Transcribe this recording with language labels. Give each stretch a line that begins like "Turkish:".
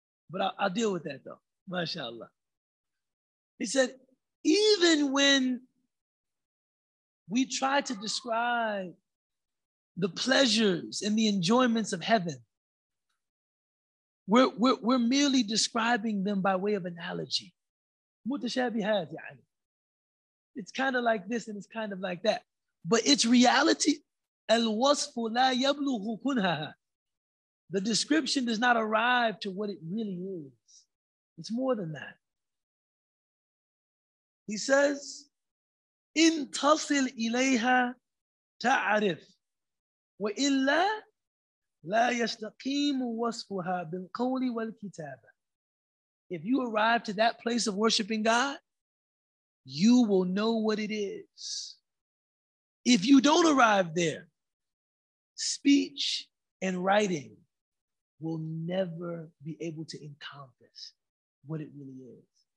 English: But I'll deal with that though, mashallah. He said, even when we try to describe the pleasures and the enjoyments of heaven, we're merely describing them by way of analogy.
Arabic: متشابهات يعني.
English: It's kind of like this and it's kind of like that. But it's reality.
Arabic: الوصف لا يبلغ كنها.
English: The description does not arrive to what it really is. It's more than that.
Arabic: He says, إن تصل إليها تعرف وإلا لا يستقيم وصفها بالقول والكتابة.
English: If you arrive to that place of worshiping God, you will know what it is. If you don't arrive there, speech and writing will never be able to encompass what it really is.